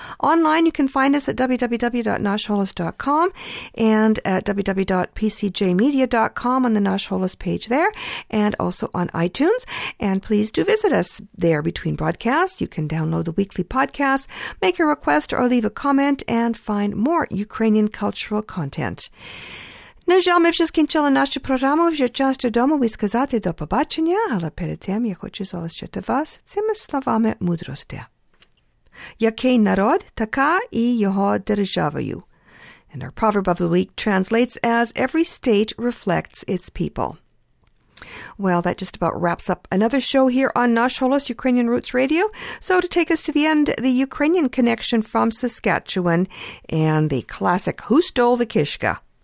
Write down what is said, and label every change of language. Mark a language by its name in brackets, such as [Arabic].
[English] Online, you can find us at www.nationalist.com and at www.pcjmedia.com on the Nationalist page there, and also on iTunes. And please do visit us there between broadcasts. You can download the weekly podcast, make a request or leave a comment, and find more Ukrainian cultural content. [Ukrainian] На жаль, ми вже скінчили нашу програму. Вже час додому і сказати до побачення. Але перед тим я хочу залишити вас цими словами мудрості. Який народ, така і його державою. [English] And our proverb of the week translates as, every state reflects its people. Well, that just about wraps up another show here on Nationalist Ukrainian Roots Radio. So to take us to the end, the Ukrainian connection from Saskatchewan and the classic Who Stole the Kishka?